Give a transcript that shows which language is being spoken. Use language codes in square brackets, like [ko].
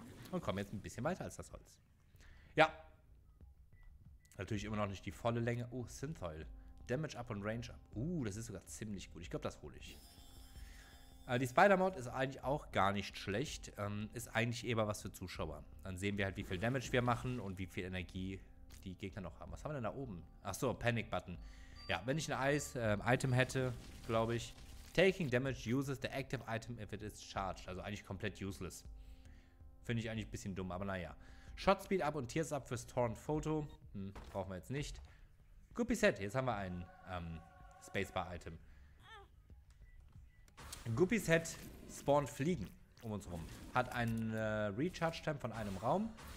[de] und kommen jetzt ein bisschen weiter als das Holz. Ja. Natürlich immer noch nicht die volle Länge. Oh, Synthoil. Damage up und Range up. Das ist sogar ziemlich gut. Ich glaube, das hole ich. Die Spider-Mod ist eigentlich auch gar nicht schlecht. Ist eigentlich eher was für Zuschauer. Dann sehen wir halt, wie viel Damage wir machen und wie viel Energie die Gegner noch haben. Was haben wir denn da oben? Achso, Panic-Button. Ja, wenn ich ein Ice-Item hätte, glaube ich. [en] Taking Damage uses the active item if it is charged. [de] Also eigentlich komplett useless. Finde ich eigentlich ein bisschen dumm, aber naja. Shot Speed up und Tears up fürs Torn Photo. Brauchen wir jetzt nicht. Guppy Set. Jetzt haben wir ein Spacebar-Item. Guppy Set spawnt Fliegen um uns rum. Hat einen Recharge-Time von einem Raum.